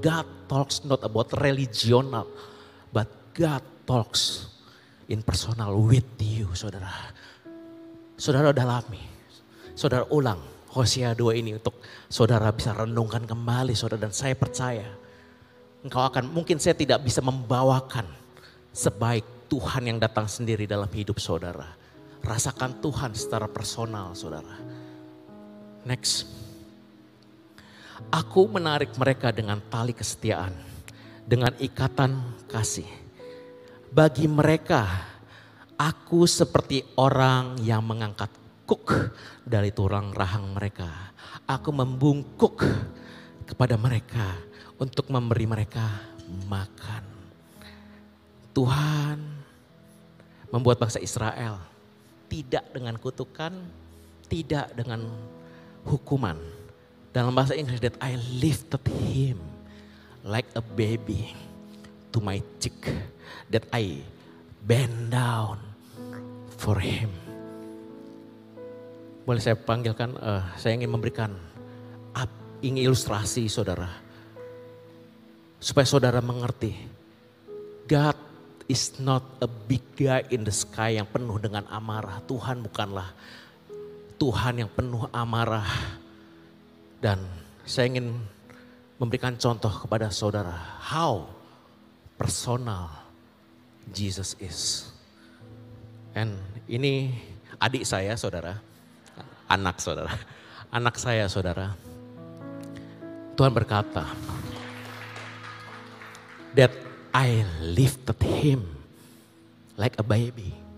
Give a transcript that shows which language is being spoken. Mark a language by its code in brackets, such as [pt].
[en] God talks not about religional, but God talks in personal with you, [id] saudara. Saudara dalami, saudara ulang Hosea 2 ini untuk saudara bisa renungkan kembali, saudara. Dan saya percaya, engkau akan, mungkin saya tidak bisa membawakan sebaik Tuhan yang datang sendiri dalam hidup saudara. Rasakan Tuhan secara personal, saudara. [en] Next. [id] Aku menarik mereka dengan tali kesetiaan, dengan ikatan kasih. Bagi mereka, aku seperti orang yang mengangkat kuk dari tulang rahang mereka. Aku membungkuk kepada mereka untuk memberi mereka makan. Tuhan membuat bangsa Israel tidak dengan kutukan, tidak dengan hukuman. Dalam bahasa Inggris, [en] that I lifted him like a baby to my cheek, that I bend down for him. [id] Boleh saya panggilkan, saya ingin memberikan ingin ilustrasi, saudara, supaya saudara mengerti. [en] God is not a big guy in the sky [id] yang penuh dengan amarah. Tuhan bukanlah Tuhan yang penuh amarah. Dan saya ingin memberikan contoh kepada saudara [en] how personal Jesus is. And [id] ini adik saya, saudara. Anak saudara. Anak saya, saudara. Tuhan berkata [en] that I lifted him like a baby.